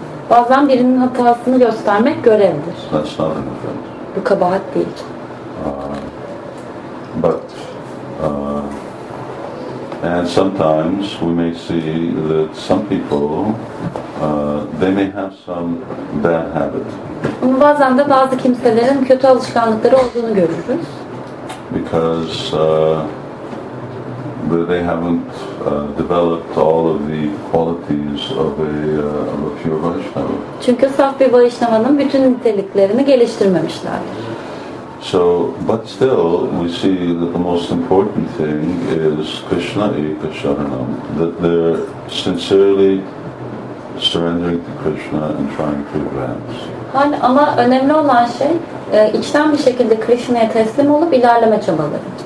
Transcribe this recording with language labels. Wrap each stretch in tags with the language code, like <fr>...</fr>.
<tr>Bazen birinin hatasını göstermek görevdir.</tr> <en>That's not an offense.</en> <tr>Bu kabahat değil.</tr> <en>But sometimes we may see that some people they may have some bad habit.</en> <tr>Bazen de bazı kimselerin kötü alışkanlıkları olduğunu görürüz.</tr> <en>Because they haven't developed all of the qualities of a pure Vaishnava.</en> <tr>Çünkü saf bir Vaishnava'nın bütün niteliklerini geliştirmemişlerdir.</tr> <en>So, but still, we see that the most important thing is Krishna Eka Sharanam, that they're sincerely surrendering to Krishna and trying to advance.</en> <tr>Hani ama önemli olan şey içten bir şekilde Krishna'ya teslim olup ilerleme çabaları.</tr>